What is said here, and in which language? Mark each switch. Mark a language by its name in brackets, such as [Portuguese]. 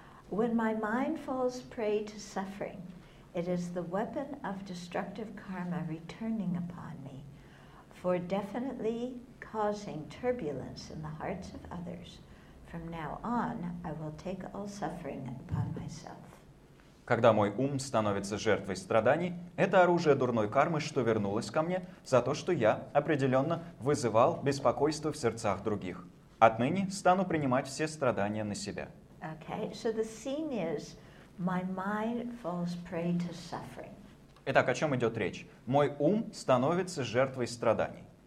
[English] When my mind falls prey to suffering, it is the weapon of destructive karma returning upon me, for definitely causing turbulence in the hearts of others. From now on, I will take all suffering upon myself. [Russian] Когда мой ум становится жертвой страданий, это оружие дурной кармы, что вернулось ко мне за то, что я определенно вызывал беспокойство в сердцах других. Отныне стану принимать все страдания на себя. [English] Okay, so the scene is my mind falls prey to suffering. [Russian] Итак, о чем идет речь? Мой ум становится жертвой страданий.